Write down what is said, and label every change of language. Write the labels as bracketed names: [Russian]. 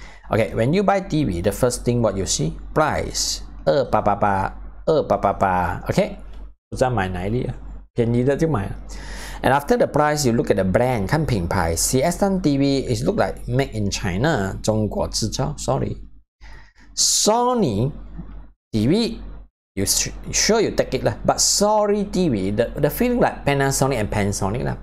[English] Okay, when you buy TV, the first thing what you see? Price, 2888, 2888, okay? [Chinese] 不知道买哪里啊便宜的就买了。 [English] And after the price, you look at the brand, [Chinese] 看品牌 [English] CS3 TV is look like made in China, [Chinese] 中国制造 [English] sorry. Sony TV, you sure you take it, but sorry TV, the feeling like Panasonic and Panasonic.